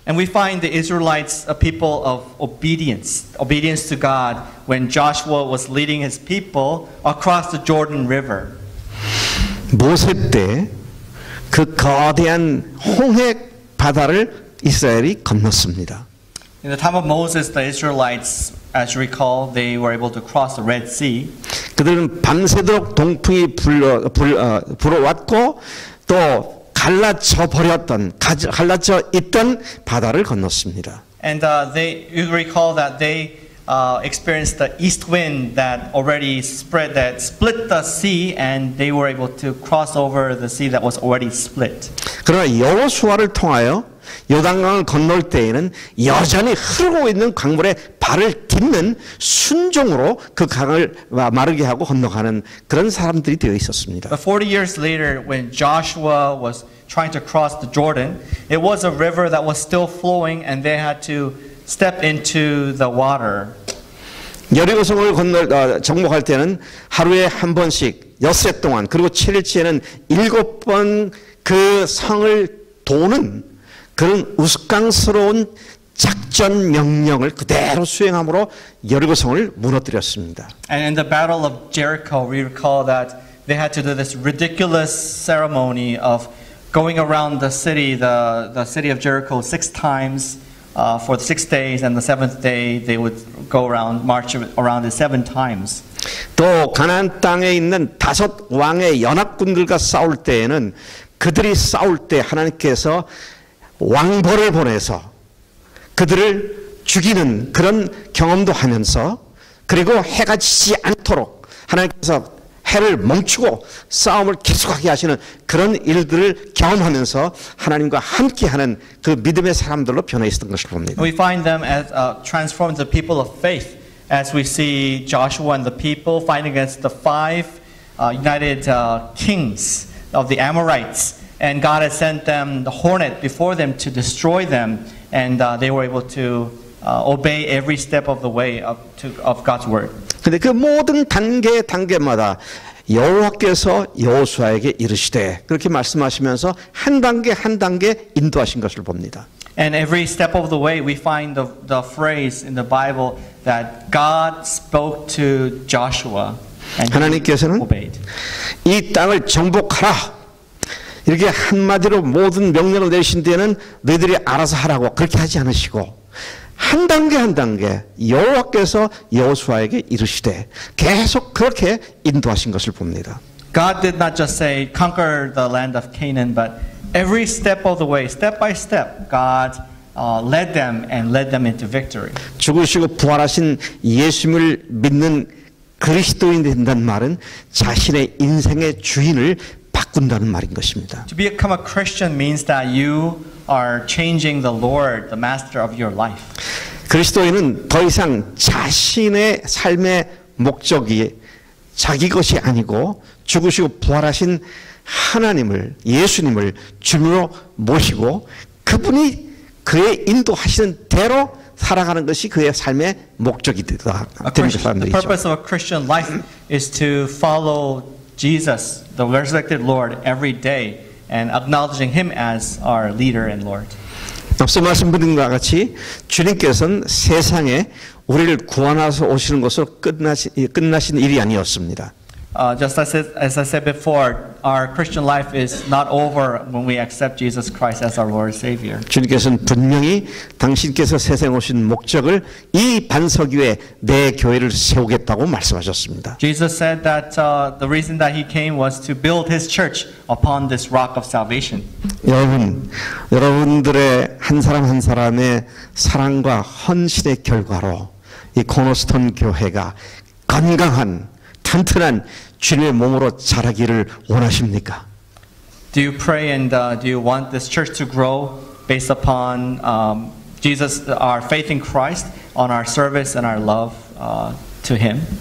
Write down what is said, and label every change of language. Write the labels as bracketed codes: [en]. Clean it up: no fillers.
[en] And we find the Israelites a people of obedience to God when Joshua was leading his people across the Jordan River. [ko] 모세 때 그 거대한 홍해 바다를 이스라엘이 건넜습니다. [en] In the time of Moses, the Israelites, as you recall, they were able to cross the Red Sea. [ko] 그들은 밤새도록 동풍이 불어왔고 또 갈라져 버렸던 갈라져 있던 바다를 건넜습니다. [en] And you recall that they experienced the east wind that already spread that split the sea, and they were able to cross over the sea that was already split. [ko] 그러나 여호수아를 통하여 요단강을 건널 때에는 여전히 흐르고 있는 강물에 발을 딛는 순종으로 그 강을 마르게 하고 건너가는 그런 사람들이 되어 있었습니다. [en] But 40 years later, when Joshua was trying to cross the Jordan, it was a river that was still flowing, and they had to step into the water. [ko] 여리고성을 건널 정복할 때는 하루에 한 번씩 엿새 동안 그리고 7일째는 7번 그 성을 도는 그런 우스꽝스러운 작전 명령을 그대로 수행함으로 여리고성을 무너뜨렸습니다. [en] And in the battle of Jericho, we recall that they had to do this ridiculous ceremony of going around the city, the city of Jericho, six times for 6 days, and the seventh day they would go around, march around it seven times. [ko] 또 가나안 땅에 있는 다섯 왕의 연합군들과 싸울 때에는 그들이 싸울 때 하나님께서 왕벌을 보내서 그들을 죽이는 그런 경험도 하면서 그리고 해가 지지 않도록 하나님께서 해를 멈추고 싸움을 계속하게 하시는 그런 일들을 경험하면서 하나님과 함께하는 그 믿음의 사람들로 변해 있었던 것을 봅니다. [en] We find them as transformed the people of faith as we see Joshua and the people fighting against the five united kings of the Amorites. And God had sent them the hornet before them to destroy them, and they were able to obey every step of the way of God's word. [ko] 근데 그 모든 단계 단계마다 여호와께서 여호수아에게 이르시되 그렇게 말씀하시면서 한 단계 한 단계 인도하신 것을 봅니다. [en] And every step of the way, we find the phrase in the Bible that God spoke to Joshua and he obeyed. [ko] 이 땅을 정복하라. 이렇게 한마디로 모든 명령을 내신 뒤에는 너희들이 알아서 하라고 그렇게 하지 않으시고 한 단계 한 단계 여호와께서 여호수아에게 이르시되 계속 그렇게 인도하신 것을 봅니다. [en] God did not just say conquer the land of Canaan, but every step of the way, step by step, God led them and led them into victory. [ko] 죽으시고 부활하신 예수님을 믿는 그리스도인 된다는 말은 자신의 인생의 주인을 바꾼다는 말인 것입니다. [en] To become a Christian means that you are changing the Lord, the master of your life. [ko] 그리스도인은 더 이상 자신의 삶의 목적이 자기 것이 아니고 죽으시고 부활하신 하나님을 예수님을 주님으로 모시고 그분이 그의 인도하시는 대로 살아가는 것이 그의 삶의 목적이 되다. [en] The purpose of a Christian life is to follow Jesus, the resurrected Lord, every day and acknowledging Him as our leader and Lord. [ko] 앞서 말씀드린 것과 같이 주님께서는 세상에 우리를 구원하여 오시는 것으로 끝나신 일이 아니었습니다. [en] Just as I said before, our Christian life is not over when we accept Jesus Christ as our Lord and Savior. [ko] 주님께서는 분명히 당신께서 세상에 오신 목적을 이 반석 위에 내 교회를 세우겠다고 말씀하셨습니다. [en] Jesus said that the reason that he came was to build his church upon this rock of salvation. [ko] 여러분들의 한 사람 한 사람의 사랑과 헌신의 결과로 이 코너스톤 교회가 건강한 튼튼한 주님의 몸으로 자라기를 원하십니까? [en] Do you pray and do you want this church to grow based upon Jesus, our faith in Christ, on our service and our love to Him?